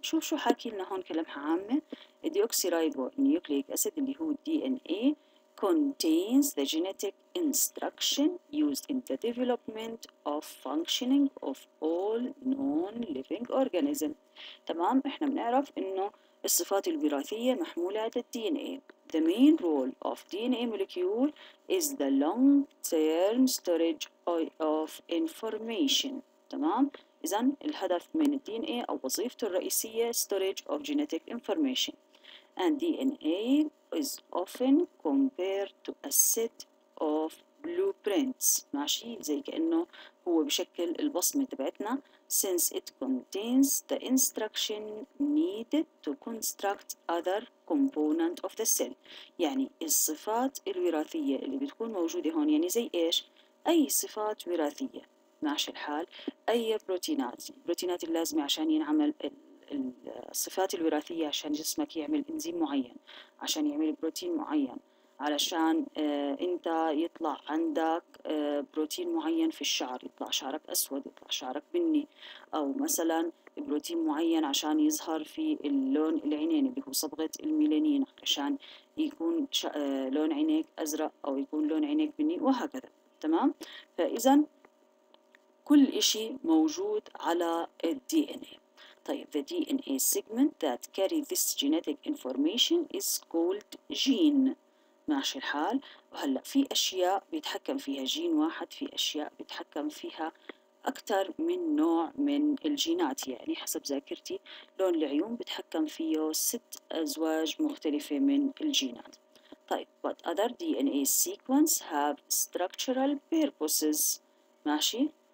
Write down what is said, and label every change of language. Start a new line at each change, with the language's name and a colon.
Arabic: شوف شو حاكي لنا هون كلمة عامة، الديوكسيرايبو نيوكليك اسيد اللي هو الدي ان اي
English: contains the genetic instruction used in the development of functioning of all non-living organism.
Arabic: تمام، احنا بنعرف انه الصفات الوراثية محمولة على الدي ان اي.
English: The main role of DNA molecule is the long-term storage of information.
Arabic: تمام؟ إذن الهدف من DNA أو وظيفته الرئيسية
English: storage of genetic information. And DNA is often compared to a set of blueprints.
Arabic: ماشي؟ زي كأنه هو بشكل البصمة تبعتنا.
English: Since it contains the instruction needed to construct other component of the cell.
Arabic: يعني الصفات الوراثية اللي بتكون موجودة هون، يعني زي إيش؟ أي صفات وراثية ماشي الحال، أي بروتينات، بروتينات اللازمة عشان ينعمل الصفات الوراثية عشان جسمك يعمل إنزيم معين، عشان يعمل بروتين معين، علشان انت يطلع عندك بروتين معين في الشعر، يطلع شعرك اسود، يطلع شعرك بني، او مثلا بروتين معين عشان يظهر في اللون العينيني اللي هو صبغه الميلانين، عشان يكون لون عينيك ازرق او يكون لون عينيك بني وهكذا. تمام، فاذا كل شيء موجود على الدي ان اي.
English: طيب the DNA segment that carry this genetic information is called gene.
Arabic: ماشي الحال، وهلأ في أشياء بيتحكم فيها جين واحد، في أشياء بيتحكم فيها أكثر من نوع من الجينات، يعني حسب ذاكرتي لون العيون بيتحكم فيه 6 أزواج مختلفة من الجينات.
English: طيب but other DNA sequence have structural purposes. ماشي،